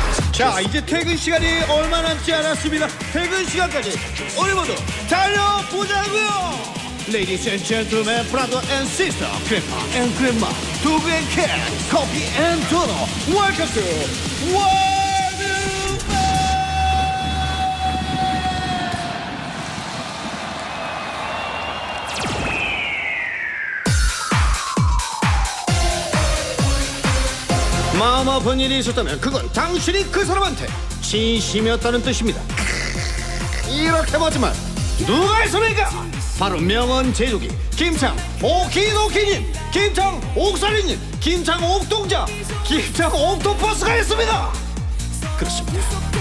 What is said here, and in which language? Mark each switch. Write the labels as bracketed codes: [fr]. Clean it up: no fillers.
[ko] 자, 이제 퇴근 시간이 얼마 남지 않았습니다. 퇴근 시간까지 우리 모두 달려보자고요. [en] Ladies and gentlemen, brother and sister, grandpa and grandma, dog and cat, coffee and turtle, welcome to World of Pain. [ko] 마음 아픈 일이 있었다면 그건 당신이 그 사람한테 진심이었다는 뜻입니다. 이렇게 보지만 누가 있습니까? 바로 명언 제조기 김창 오키도키님, 김창 옥살이님, 김창 옥동자, 김창 옥토퍼스가 있습니다. 그렇습니다.